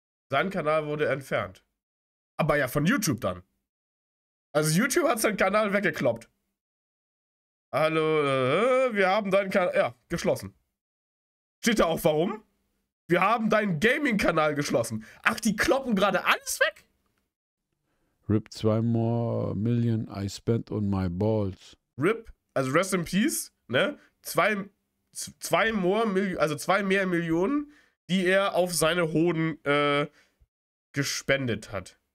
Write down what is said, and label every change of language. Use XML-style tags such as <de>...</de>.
<de>Sein Kanal wurde entfernt. Aber ja, von YouTube dann. Also YouTube hat seinen Kanal weggekloppt. Hallo, wir haben deinen Kanal... Ja, geschlossen. Steht da auch warum? Wir haben deinen Gaming-Kanal geschlossen. Ach, die kloppen gerade alles weg?</de> <en>RIP 2 more million I spent on my balls.</en> <de>RIP, also</de> <en>rest in peace,</en> <de>ne?</de> <en>2 more million,</en> <de>also 2 mehr Millionen, die er auf seine Hoden gespendet hat.</de>